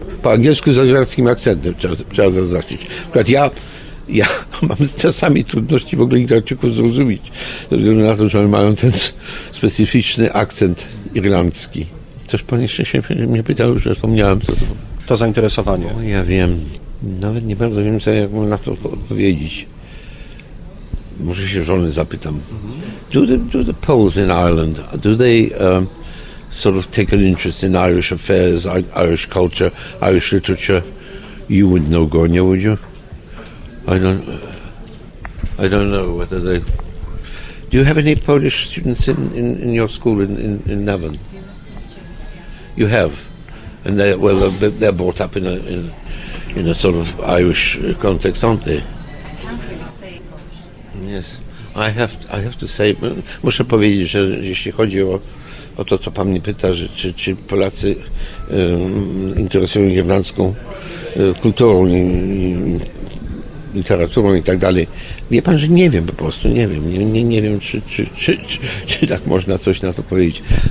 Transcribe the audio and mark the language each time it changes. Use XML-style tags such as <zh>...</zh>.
<pl>Po angielsku z irlandzkim akcentem trzeba zaznaczyć. Na przykład ja mam czasami trudności w ogóle Irlandczyków zrozumieć, ze względu na to, że oni mają ten specyficzny akcent irlandzki. Coś pan jeszcze się mnie pytał, że wspomniałem co to. To zainteresowanie. O, ja wiem. Nawet nie bardzo wiem, jak mam na to odpowiedzieć. Może się żony zapytam.</pl> <en>Do the Poles in Ireland, do they sort of take an interest in Irish affairs, Irish culture, Irish literature? You would know, Gornia, would you? I don't know whether they... Do you have any Polish students in your school in Navan? You have? And they're brought up in a sort of Irish context, aren't they? Yes, I have to say,</en> <pl>muszę powiedzieć, że jeśli chodzi o to, co pan mnie pyta, że czy Polacy interesują się irlandzką kulturą i literaturą i tak dalej, wie pan, że nie wiem, po prostu nie wiem, nie wiem, czy tak można coś na to powiedzieć.</pl>